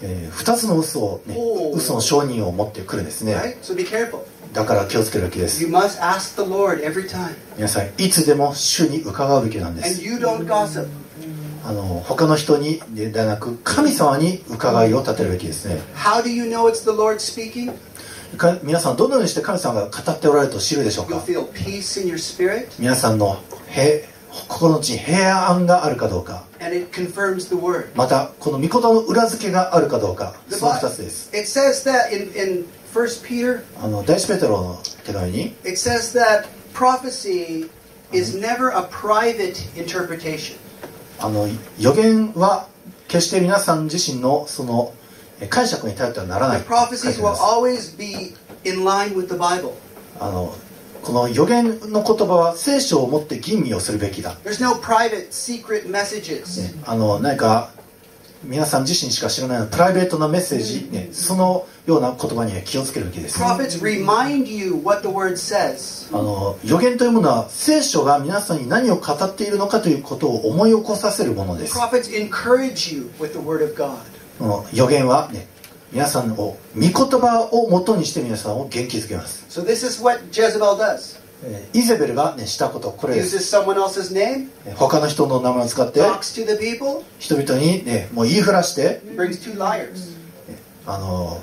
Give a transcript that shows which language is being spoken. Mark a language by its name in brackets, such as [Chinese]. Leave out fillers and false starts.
[Japanese] 二つの嘘を、ね、嘘の証人を持ってくるんですね、 [English] right? so、be careful. [Japanese] だから気をつけるべきです [English] you must ask the Lord every time. [Japanese] 皆さんいつでも主に伺うべきなんです [English] And you don't gossip. [Japanese] 他の人にではなく神様に伺いを立てるべきですね [English] How do you know it's the Lord speaking? [Japanese] 皆さんどのようにして神様が語っておられると知るでしょうか [English] You'll feel peace in your spirit. [Japanese] 皆さんの平心の地平安があるかどうか [English] And it confirms the word. [Japanese] またこの御言葉の裏付けがあるかどうかその2つです [English] it says that in First Peter, [Japanese] 第一ペテロの手紙に [English] it says that prophecy is never a private interpretation. [Japanese] 予言は決して皆さん自身のその解釈に頼ってはならない [English] the prophecies will always be in line with the Bible. [Japanese] この予言の言葉は聖書をもって吟味をするべきだ [English] There's no private, secret messages. [Japanese] 何か皆さん自身しか知らないのプライベートなメッセージ、ね、そのような言葉には気をつけるべきです [English] Prophets remind you what the word says. [Japanese] 予言というものは聖書が皆さんに何を語っているのかということを思い起こさせるものです [English] Prophets encourage you with the word of God. [Japanese] 予言は、ね皆さんを御言葉をもとにして皆さんを元気づけます。 [English] So this is what Jezebel does. [Japanese] イゼベルが、ね、したことこれです。 [English] Uses someone else's name. [Japanese] 他の人の名前を使って。 [English] Talks to the people. [Japanese] 人々に、ね、もう言いふらして。 [English] Brings two liars.